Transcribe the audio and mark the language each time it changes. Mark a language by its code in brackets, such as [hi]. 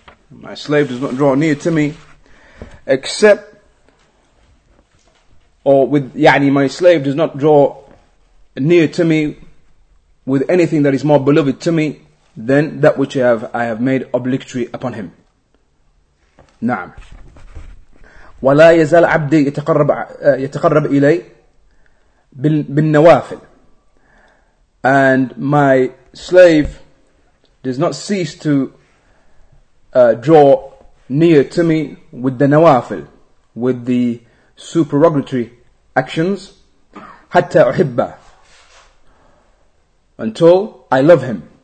[en] My slave does not draw near to me except, or with, يعني, my slave does not draw near to me with anything that is more beloved to me than that which I have made obligatory upon him. [ar] نعم. ولا يزال عبدي يتقرب إلي بالنوافل. [en] And my slave does not cease to draw near to me with the nawafil, with the supererogatory actions, [ar] حتى أحبه, [en] until I love him.